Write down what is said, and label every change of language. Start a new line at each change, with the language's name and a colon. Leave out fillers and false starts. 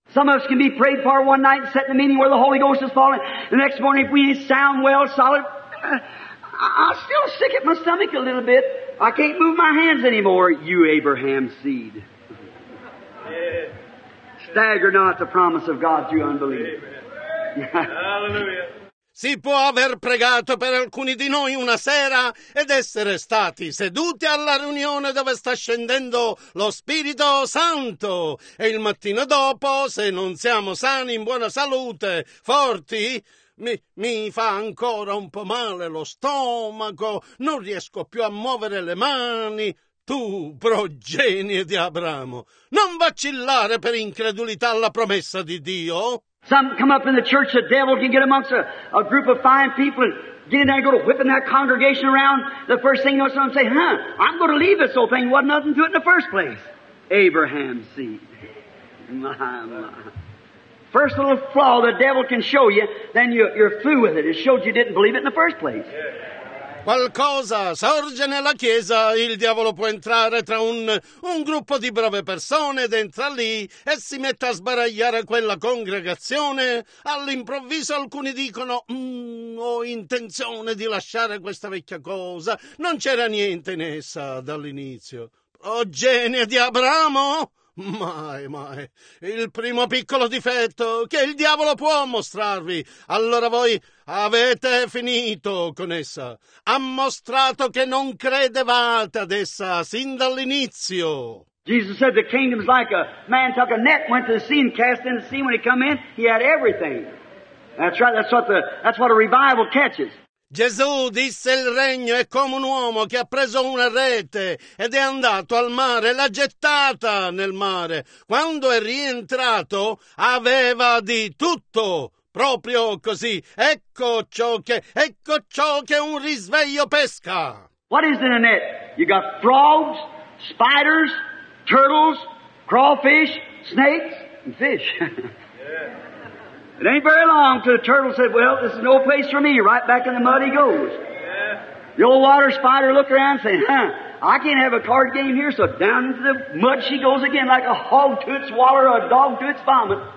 English: Some of us can be prayed for one night and set in a meeting where the Holy Ghost is falling. The next morning, if we sound well, solid, I'm still sick at my stomach a little bit. I can't move my hands anymore, you Abraham seed. Yeah. Stagger not the promise of God through unbelief. Hallelujah.
Italian: Si può aver pregato per alcuni di noi una sera ed essere stati seduti alla riunione dove sta scendendo lo Spirito Santo. E il mattino dopo, se non siamo sani, in buona salute, forti, mi fa ancora un po' male lo stomaco, non riesco più a muovere le mani. Tu, progenie di Abramo, non vacillare per incredulità alla promessa di Dio.
English: Some come up in the church, the devil can get amongst a group of fine people and get in there and go to whipping that congregation around. The first thing you know, some say, "Huh, I'm going to leave this whole thing. Wasn't nothing to it in the first place." Abraham's seed. My. First little flaw the devil can show you, then you're through with it. It showed you didn't believe it in the first place. Yeah.
Italian: Qualcosa sorge nella chiesa, il diavolo può entrare tra un gruppo di brave persone ed entra lì e si mette a sbaragliare quella congregazione. All'improvviso alcuni dicono: ho intenzione di lasciare questa vecchia cosa, non c'era niente in essa dall'inizio. Progenie di Abramo? Mai, mai. Il primo piccolo difetto che il diavolo può mostrarvi, allora voi avete finito con essa. Ha mostrato che non credevate ad essa sin dall'inizio.
English: Jesus said the kingdom is like a man took a net, went to the sea and cast in the sea. When he come in, he had everything. That's right, that's what a revival catches.
Italian: Gesù disse: il regno è come un uomo che ha preso una rete ed è andato al mare, l'ha gettata nel mare. Quando è rientrato aveva di tutto, proprio così. Ecco ciò che un risveglio pesca.
English: What is in a net? You got frogs, spiders, turtles, crawfish, snakes, and fish. Yeah. It ain't very long till the turtle said, well, this is no place for me. Right back in the mud he goes. Yeah. The old water spider looked around and said, huh, I can't have a card game here. So down into the mud she goes again like a hog to its water or a dog to its vomit.